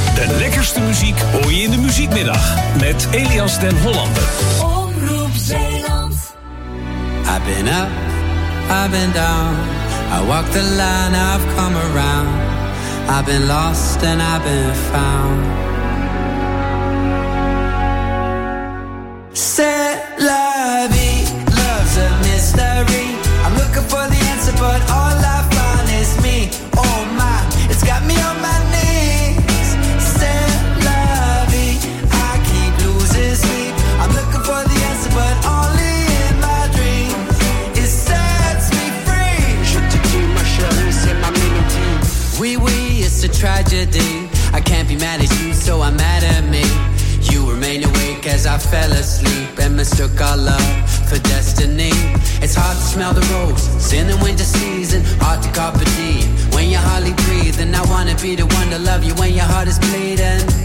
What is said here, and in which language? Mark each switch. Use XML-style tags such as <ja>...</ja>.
<nl>De lekkerste muziek hoor je in de Muziekmiddag met Elias den Hollander. Omroep Zeeland.</nl> <en>I've been up, I've been down. I walked the line, I've come around. I've been lost and I've been found. C'est la vie, love's a mystery. I'm looking for the answer, but all I find is me. Oh my, it's got me on my knees. C'est la vie, I keep losing sleep. I'm looking for the answer, but only in my dreams. It sets me free.</en> <fr>Je te dis, ma chérie, c'est ma mélodie. Oui, oui,</fr> <en>it's a tragedy. I can't be mad at you, so I'm mad at me. You remain awake as I fell asleep and mistook our love for destiny. It's hard to smell the rose, it's in the winter season. Hard to cop a D when you're hardly breathing. I wanna be the one to love you when your heart is bleeding.</en>